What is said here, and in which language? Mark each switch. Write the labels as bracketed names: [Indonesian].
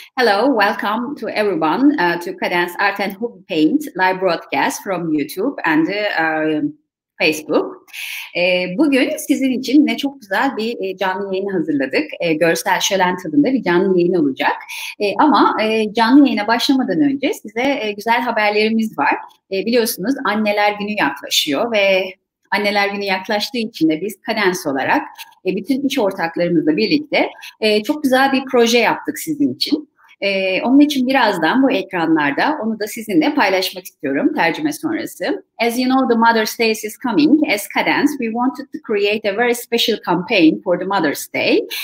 [English] Hello, welcome to everyone to Cadence Art and Hobby Paint live broadcast from YouTube and Facebook. [Turkish] Bugün sizin için ne çok güzel bir canlı yayın hazırladık. Görsel şölen tadında bir canlı yayın olacak. Ama canlı yayına başlamadan önce size güzel haberlerimiz var. Biliyorsunuz Anneler Günü yaklaşıyor ve Anneler Günü yaklaştığı için de biz Cadence olarak bütün iş ortaklarımızla birlikte çok güzel bir proje yaptık sizin için. Onun için birazdan bu ekranlarda onu da sizinle paylaşmak istiyorum tercüme sonrası. [English] As you know, the Mother's Day is coming. As Cadence, we wanted to create a very special campaign for the Mother's Day.